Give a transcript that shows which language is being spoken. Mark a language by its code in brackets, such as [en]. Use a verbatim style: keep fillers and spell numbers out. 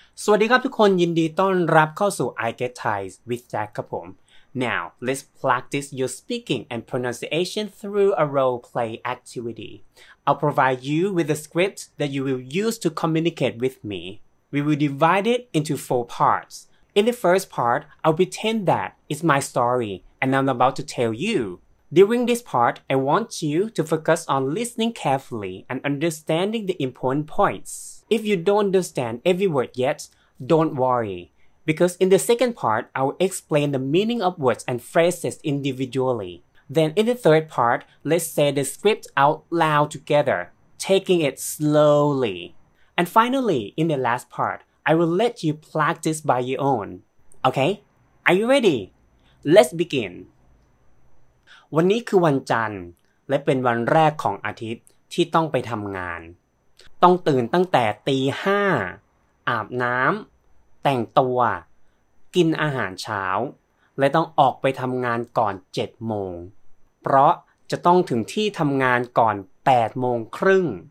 [th] สวัสดีครับทุกคนยินดีต้อนรับเข้าสู่ [en] I Get Thai with Jack [th] ครับผม [en] Now let's practice your speaking and pronunciation through a role play activity. I'll provide you with a script that you will use to communicate with me. We will divide it into four parts. In the first part, I'll pretend that it's my story and I'm about to tell you. During this part, I want you to focus on listening carefully and understanding the important points. If you don't understand every word yet, don't worry. Because in the second part, I will explain the meaning of words and phrases individually. Then in the third part, let's say the script out loud together, taking it slowly. And finally, in the last part, I will let you practice by your own. Okay? Are you ready? Let's begin. [th] วันนี้คือวันจันทร์และเป็นวันแรกของอาทิตย์ที่ต้องไปทำงานต้องตื่นตั้งแต่ตีห้าอาบน้ำแต่งตัวกินอาหารเช้าและต้องออกไปทำงานก่อนเจ็ดโมงเพราะจะต้องถึงที่ทำงานก่อนแปดโมงครึ่ง